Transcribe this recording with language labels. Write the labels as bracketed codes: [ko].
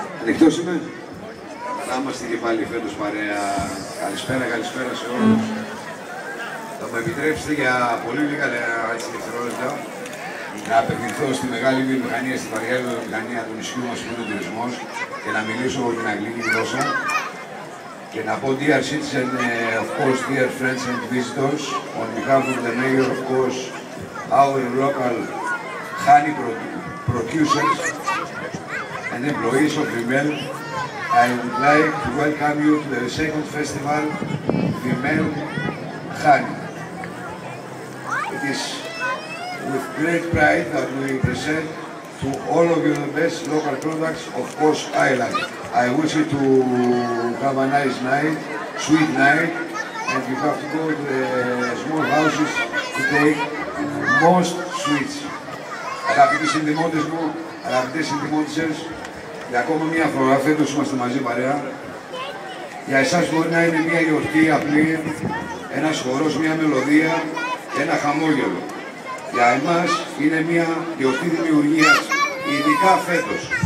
[el] Εκτός είμαι, να είμαστε και πάλι φέτος παρέα. Καλησπέρα σε όλους. Θα μου επιτρέψετε για πολύ λίγα δευτερόλεπτα να απευθυνθώ στη μεγάλη βιομηχανία, στη βαριά βιομηχανία του νησιού μας που είναι ο τουρισμός και να μιλήσω από την αγγλική γλώσσα και να πω [en] Dear citizens, of course, dear friends and visitors, on behalf of the mayor, of course, our local honey producers, and employees of Vimel, I would like to welcome you to the second festival, Vimel Honey. It is with great pride that we present to all of you the best local products of Kos Island. I wish you to have a nice night, sweet night, and you have to go to the small houses to take most sweets. [el] Αγαπητοί συνδημότες μου, αγαπητές συνδημότησες, για ακόμα μία φορά, φέτος είμαστε μαζί παρέα. Για εσάς μπορεί να είναι μία γιορτή απλή, ένας χορός, μία μελωδία, ένα χαμόγελο. Για εμάς είναι μία γιορτή δημιουργίας, ειδικά φέτος.